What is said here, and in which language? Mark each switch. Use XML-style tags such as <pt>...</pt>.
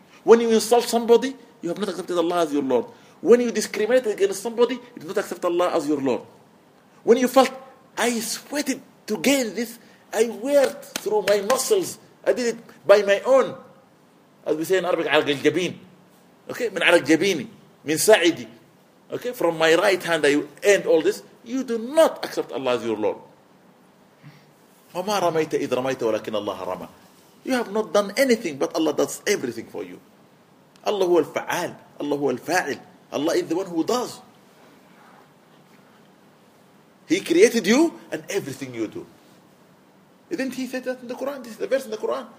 <en>When you insult somebody, you have not accepted Allah as your Lord. When you discriminate against somebody, you did not accept Allah as your Lord. When you felt, I sweated to gain this, I worked through my muscles, I did it by my own. As we say in Arabic,</en> <ar>عَلَقَ الْجَبِينِ. Okay, من عرق جبيني من ساعدي.</ar> <en>Okay, from my right hand I end all this. You do not accept Allah as your Lord.</en> <ar>وما رميت إذ رميت ولكن الله رمى.</ar> <en>You have not done anything, but Allah does everything for you. Allah</en> <ar>هو الفعال.</ar> <en>Allah</en> <ar>هو الفاعل.</ar> <en>Allah is the one who does. He created you and everything you do. Didn't he say that in the Quran? This is the verse in the Quran.</en>